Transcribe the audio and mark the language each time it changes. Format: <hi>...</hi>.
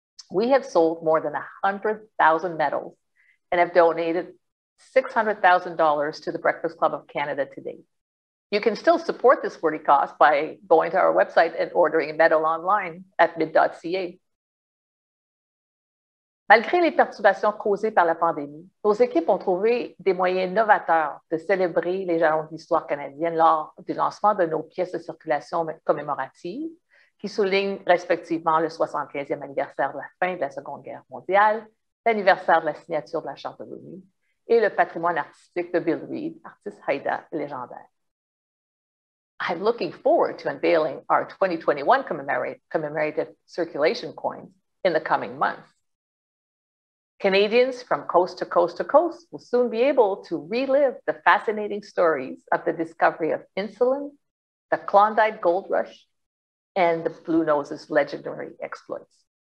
<en>We have sold more than 100,000 medals and have donated $600,000 to the Breakfast Club of Canada to date. You can still support this worthy cause by going to our website and ordering a medal online at mint.ca.</en> <fr>Malgré les perturbations causées par la pandémie, nos équipes ont trouvé des moyens novateurs de célébrer les jalons de l'histoire canadienne lors du lancement de nos pièces de circulation commémoratives qui soulignent respectivement le 75e anniversaire de la fin de la Seconde Guerre mondiale, l'anniversaire de la signature de la Charte de l'ONU et le patrimoine artistique de Bill Reid, artiste Haïda légendaire.</fr> <en>I'm looking forward to unveiling our 2021 commemorative circulation coins in the coming months. Canadians from coast to coast to coast will soon be able to relive the fascinating stories of the discovery of insulin, the Klondike Gold Rush, and the Blue Nose's legendary exploits.</en>